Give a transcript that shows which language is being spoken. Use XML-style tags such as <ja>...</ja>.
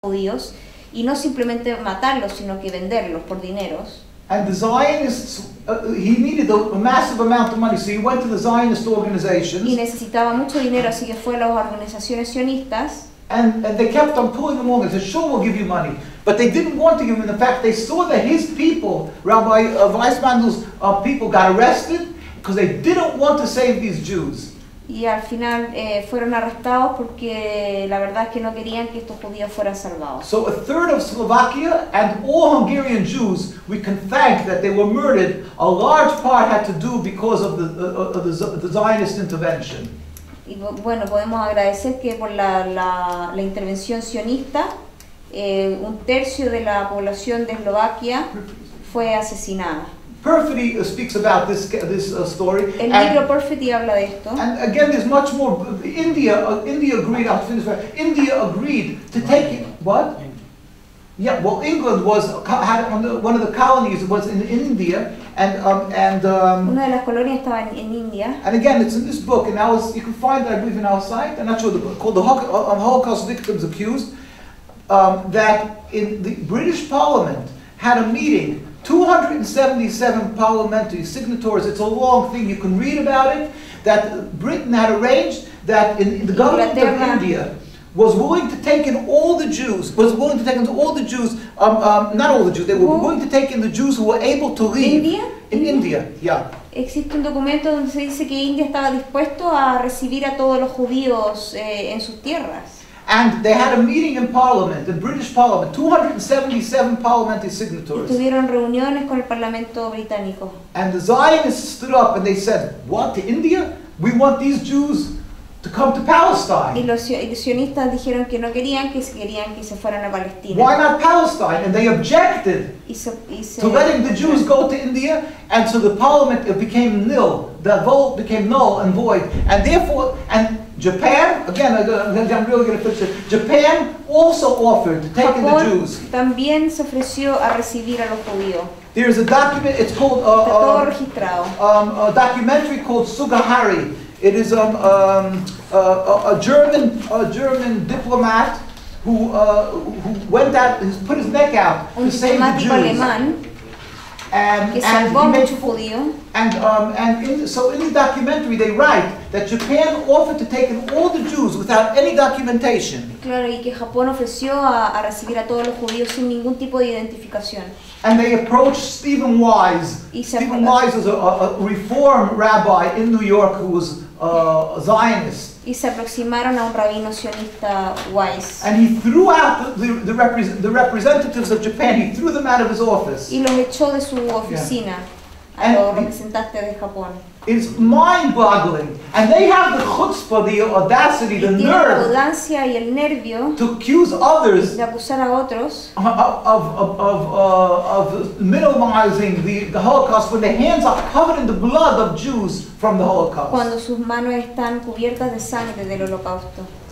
<es>judíos y no simplemente matarlos, sino que venderlos por dineros.</es> <en>And the Zionists, he needed a massive amount of money, so he went to the Zionist organizations.</en> <es>Y necesitaba mucho dinero, así que fue a las organizaciones sionistas.</es> <en>And they kept on pulling him along and said, sure, we'll give you money. But they didn't want to give him. In fact, they saw that his people, Rabbi Weissmandl's people, got arrested because they didn't want to save these Jews.</en> <es>Y al final fueron arrestados porque la verdad es que no querían que estos judíos fueran salvados.</es> <en>So a third of Slovakia and all Hungarian Jews, we can thank that they were murdered. A large part had to do because of the Zionist intervention.</en> <es>Y bueno, podemos agradecer que por la intervención sionista, un tercio de la población de Eslovaquia fue asesinada.</es> <en>Perfetti speaks about this story.</en> <es>El libro Perfetti habla de esto.</es> <en>And again, there's much more. India agreed. I'll finish. India agreed to take it. What? Yeah. Well, England was had one of the colonies was in India, and</en> <es>una de las colonias estaba en India.</es> <en>And again, it's in this book, and you can find it, I believe, in our site. I'm not sure the book called the Holocaust Victims Accused. That in the British Parliament had a meeting. 277 parliamentary signatories, it's a long thing, you can read about it, that Britain had arranged that the government of India was willing to take in all the Jews, not all the Jews, they were willing to take in the Jews who were able to leave. India? In India, yeah.</en> <es>Existe un documento donde se dice que India estaba dispuesto a recibir a todos los judíos en sus tierras.</es> <en>And they had a meeting in Parliament, the British Parliament, 277 parliamentary signatories.</en> <es>Y tuvieron reuniones con el Parlamento Británico.</es> <en>And the Zionists stood up and they said, what, to India? We want these Jews to come to Palestine.</en> <es>Y los sionistas dijeron que no querían, que querían que se fueran a Palestina.</es> <en>Why not Palestine? And they objected to letting the Jews go to India. And so the Parliament, it became nil. The vote became null and void. And therefore, Japan, again, I'm really going to finish it. Japan also offered to take</en> <es>Japón</es> <en>in the Jews.</en> <es>También se ofreció a recibir a los judíos.</es> <en>There's a document, it's called a documentary called Sugihara. It is a German diplomat who went out and put his neck out</en> <es>un</es> <en>to save the Jews.</en> <es>Alemán.</es> <en>In the documentary they write that Japan offered to take in all the Jews without any documentation.</en> <es>Claro, y que Japón ofreció a recibir a todos los judíos sin ningún tipo de identificación.</es> <en>And they approached Stephen Wise. Stephen Wise was a reform rabbi in New York who was a Zionist.</en> <es>Y se aproximaron a un rabino sionista, Wise.</es> <en>And he threw out the representatives of Japan. He threw them out of his office.</en> <es>Y los echó de su oficina.</es> <en>Yeah.</en> <es>A los representantes de Japón.</es> <en>It's mind-boggling. And they have the chutzpah, the audacity,</en> <es>y</es> <en>the nerve.</en> <es>La audacia y el nervio</es> <en>to accuse others.</en> <es>De acusar a otros.</es> <en>Of minimizing the Holocaust when their hands are covered in the blood of Jews from the Holocaust.</en> <es>Cuando sus manos están cubiertas de sangre del Holocausto.</es>